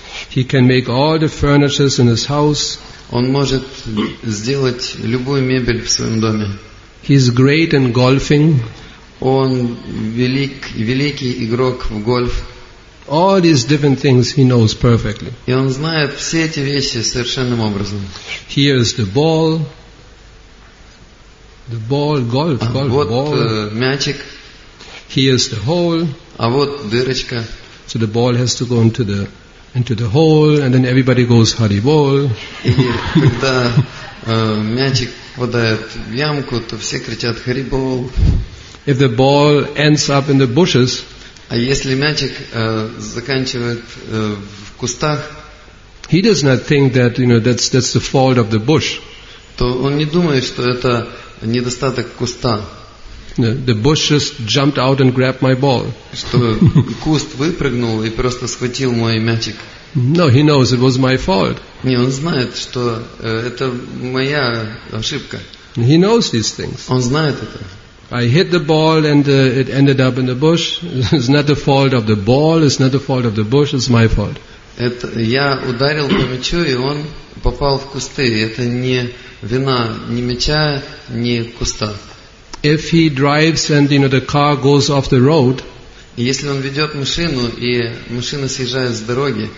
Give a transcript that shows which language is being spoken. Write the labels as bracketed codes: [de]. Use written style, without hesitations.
[en] He can make all the furnitures in his house. [ru] Он может сделать любую мебель в своем доме. [en] He's great in golfing. [ru] Он великий игрок в гольф. [en] All these different things he knows perfectly. [ru] И он знает все эти вещи совершенным образом. [en] Here is the ball, golf [ru] вот [en] ball. [ru] Мячик. [en] Here is the hole. [ru] А вот дырочка. [en] So the ball has to go into the hole, and then everybody goes Hari Bol. [ru] И когда мячик попадает в ямку, то все кричат Hari Bol. [en] If the ball ends up in the bushes, [ru] а если мячик заканчивает в кустах, [en] he does not think that that's the fault of the bush. [ru] То он не думает, что это недостаток куста. [en] The bush just jumped out and grabbed my ball. [ru] Что куст выпрыгнул и просто схватил мой мячик. [en] No, he knows it was my fault. [ru] Не, он знает, что это моя ошибка. [en] He knows these things. [ru] Он знает это. [en] I hit the ball and it ended up in the bush. It's not the fault of the ball. It's not the fault of the bush. It's my fault. [ru] Это я ударил по мячу и он попал в кусты. Это не вина ни мяча, ни куста. [en] If he drives and the car goes off the road, [ru] если он ведет машину и машина съезжает с дороги,